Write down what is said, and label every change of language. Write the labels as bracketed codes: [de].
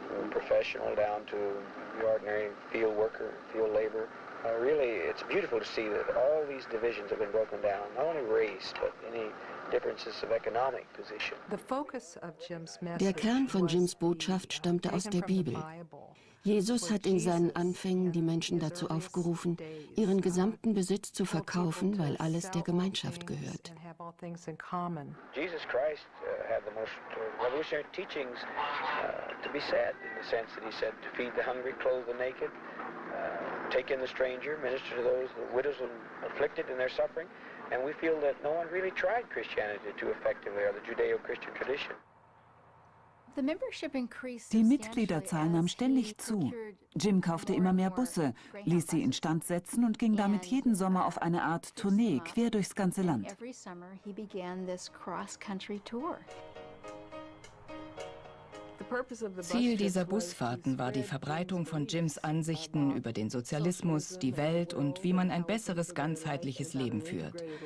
[en] Professional down to the ordinary field worker, field labor. Really, it's beautiful to see that all these divisions have been broken down, not only race, but any differences of economic position. The focus of Jim's message. [de] Der Kern von Jims Botschaft stammte aus der Bibel. Jesus hat in seinen Anfängen die Menschen dazu aufgerufen, ihren gesamten Besitz zu verkaufen, weil alles der Gemeinschaft gehört. [en] Jesus Christ had the most revolutionary teachings to be said, in the sense that he said to feed the hungry, clothe the naked, take in the stranger, minister to those, the widows and afflicted in their suffering. And we feel that no one really tried Christianity too effectively, or the Judeo-Christian tradition. [de] Die Mitgliederzahl nahm ständig zu. Jim kaufte immer mehr Busse, ließ sie instand setzen und ging damit jeden Sommer auf eine Art Tournee quer durchs ganze Land. Ziel dieser Busfahrten war die Verbreitung von Jims Ansichten über den Sozialismus, die Welt und wie man ein besseres ganzheitliches Leben führt.